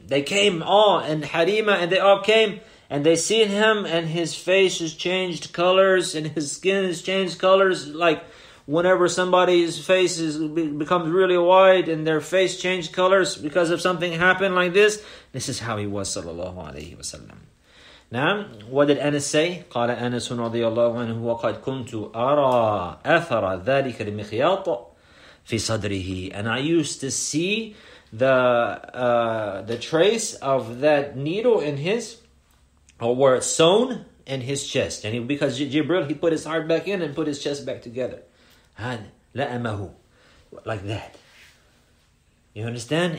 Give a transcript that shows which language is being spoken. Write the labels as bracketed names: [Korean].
[English] They came all, and Harima, and they all came, and they seen him, and his face has changed colors, and his skin has changed colors, like whenever somebody's face becomes really white and their face changed colors because of something happened like this. This is how he was, sallallahu alayhi wa sallam. Now, what did Anas say? [Arabic] قَالَ أَنَسٌ رَضِيَ اللَّهُ عَنْهُ وَقَدْ كُنْتُ أَرَى أَثَرَ ذَلِكَ الْمِخْيَاطُ فِي صَدْرِهِ. [English] And I used to see the trace of that needle in his, or where it's sewn, in his chest. And because Jibril, he put his heart back in and put his chest back together. Like that. You understand?